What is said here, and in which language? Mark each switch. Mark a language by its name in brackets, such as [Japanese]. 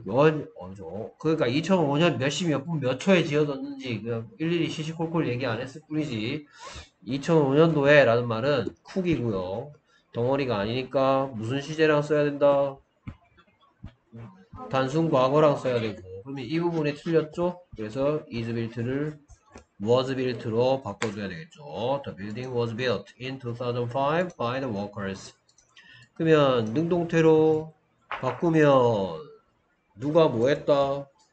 [Korean] 그러니까 2005년 몇시몇분몇 초에 지어졌는지 그냥 일일이 시시콜콜 얘기 안 했을 뿐이지 2005년도에 라는 말은 쿠기고요. 덩어리가 아니니까 무슨 시제랑 써야 된다? 단순 과거랑 써야 되고. 그러면 이 부분이 틀렸죠? 그래서 [English] is built [Korean] 를 [English] was built [Korean] 로 바꿔줘야 되겠죠. [English] The building was built in 2005 by the workers. [Korean] 그러면 능동태로 바꾸면 누가 뭐 했다?